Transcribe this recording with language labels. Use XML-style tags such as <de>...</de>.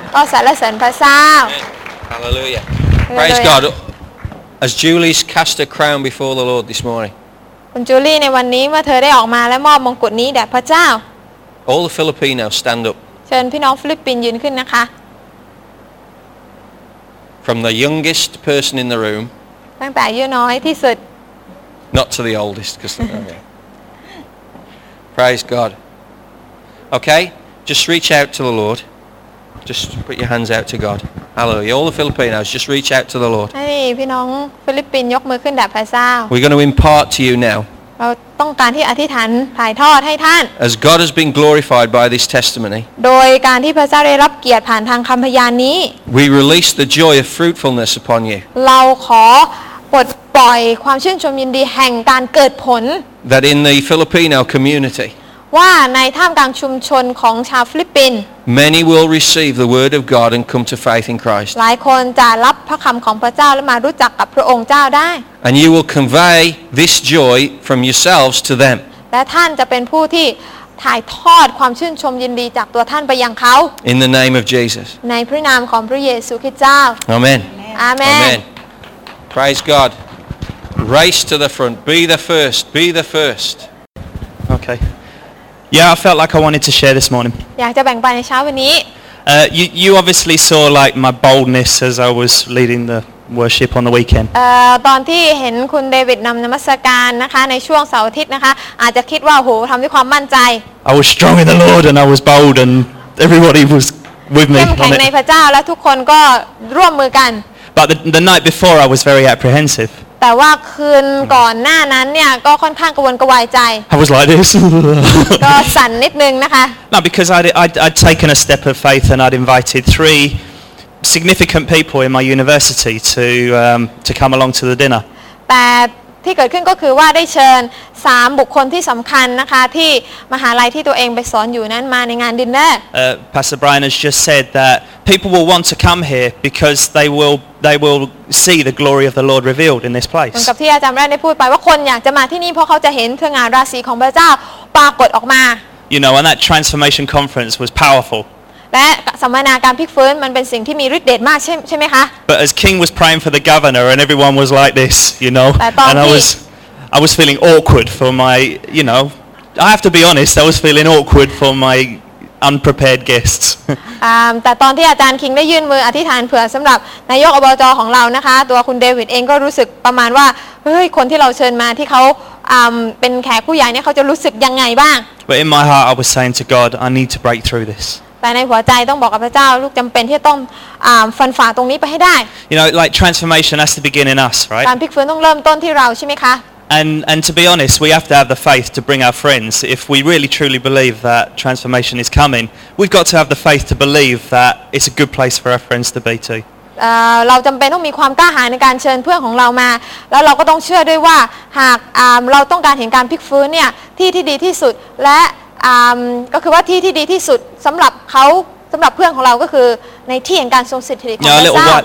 <th>ก็สรรเสริญพระเจ้า</th> <en>Hallelujah Praise God As Julie's cast a crown before the Lord this morning</en> <th>คุณจูลี่ในวันนี้เมื่อเธอได้ออกมาและมอบมงกุฎนี้แด่พระเจ้า</th> <en>All the Filipinos stand up</en> <th>เชิญพี่น้องฟิลิปปินส์ยืนขึ้นนะคะ</th> <en>From the youngest person in the room</en> <th>ตั้งแต่อายุน้อยที่สุด</th> <en>Not to the oldest because Praise God Okay just reach out to the Lord just put your hands out to God Hallelujah all the Filipinos just reach out to the Lord</en> <th>พี่น้องฟิลิปปินส์ยกมือขึ้นแด่พระเจ้า</th> <en>We're going to impart to you now</en> <th>เราต้องการที่อธิษฐานถ่ายทอดให้ท่าน</th> <en>As God has been glorified by this testimony</en> <th>โดยการที่พระเจ้าได้รับเกียรติผ่านทางคำพยานนี้</th> <en>We release the joy of fruitfulness upon you</en> <th>เราขอปลดปล่อยความชื่นชมยินดีแห่งการเกิดผล</th> <en>That in the Filipino community</en> <th>ว่าในท่ามกลางชุมชนของชาวฟิลิปปินส์</th> <en>Many will receive the word of God and come to faith in Christ</en> <th>หลายคนจะรับพระคำของพระเจ้าและมารู้จักกับพระองค์เจ้าได้</th> <en>And you will convey this joy from yourselves to them</en> <th>และท่านจะเป็นผู้ที่ถ่ายทอดความชื่นชมยินดีจากตัวท่านไปยังเขา</th> <en>In the name of Jesus</en> <th>ในพระนามของพระเยซูคริสต์เจ้า</th> <en>Amen Amen Praise God Race to the front be the first be the first Okay Yeah, I felt like I wanted to share this morning.</en> <th>อยากจะแบ่งปันในเช้าวันนี้</th> <en>you obviously saw like my boldness as I was leading the worship on the weekend.</en> <th>ตอนที่เห็นคุณเดวิดนำนมัสการนะคะในช่วงเสาร์อาทิตย์นะคะอาจจะคิดว่าโหทำด้วยความมั่นใจ</th> <en>I was strong in the Lord and I was bold and everybody was with me.</en> <th>เข้มแข็งในพระเจ้าและทุกคนก็ร่วมมือกัน</th> <en>But the night before I was very apprehensive.</en> <th>แต่ว่าคืนก่อนหน้านั้นเนี่ยก็ค่อนข้างกังวลกระวายใจ</th> <en>I was like this</en> <th>ก็สั่นนิดนึงนะคะ</th> <en>No because I'd taken a step of faith and I'd invited 3 significant people in my university to come along to the dinner</en> <th>แต่ที่เกิดขึ้นก็คือว่าได้เชิญ3บุคคลที่สำคัญนะคะที่มหาลัยที่ตัวเองไปสอนอยู่นั้นมาในงานดินเนอร์</th> <en>Pastor Brian has just said that people will want to come here because they will see the glory of the Lord revealed in this place.</en> <th>กับที่อาจารย์แรกได้พูดไปว่าคนอยากจะมาที่นี่เพราะเขาจะเห็นเครื่องงานราศีของพระเจ้าปรากฏออกมา</th> <en>You know, and that transformation conference was powerful.</en> <th>และสัมมนาการพลิกฟื้นมันเป็นสิ่งที่มีฤทธิ์เดชมากใช่มั้ยคะ</th> <en>But as King was praying for the governor and everyone was like this, you know. And I was feeling awkward for my, you know. I have to be honest, I was feeling awkward for my unprepared guests.</en> <th>แต่ตอนที่อาจารย์คิงได้ยื่นมืออธิษฐานเผื่อสำหรับนายกอบจของเรานะคะตัวคุณเดวิดเองก็รู้สึกประมาณว่าเฮ้ยคนที่เราเชิญมาที่เขาเป็นแขกผู้ใหญ่เนี่ยเขาจะรู้สึกยังไงบ้าง</th> <en>But in my heart I was saying to God I need to break through this.</en> <th>แต่ในหัวใจต้องบอกกับพระเจ้าลูกจำเป็นที่ต้องฟันฝ่าตรงนี้ไปให้ได้</th> <en>You know like transformation has to begin in us, right?</en> <th>การพลิกฟื้นต้องเริ่มต้นที่เราใช่ไหมคะ</th> <en>And to be honest, we have to have the faith to bring our friends. If we really truly believe that transformation is coming, we've got to have the faith to believe that it's a good place for our friends to be too.</en> <th>เราจำเป็นต้องมีความกล้าหาญในการเชิญเพื่อนของเรามาแล้วเราก็ต้องเชื่อด้วยว่าหากเราต้องการเห็นการพลิกฟื้นเนี่ยที่ดีที่สุดและก็คือว่าที่ดีที่สุดสำหรับเขาสำหรับเพื่อนของเราก็คือในที่แห่งการทรงสถิตของพระเจ้า</th>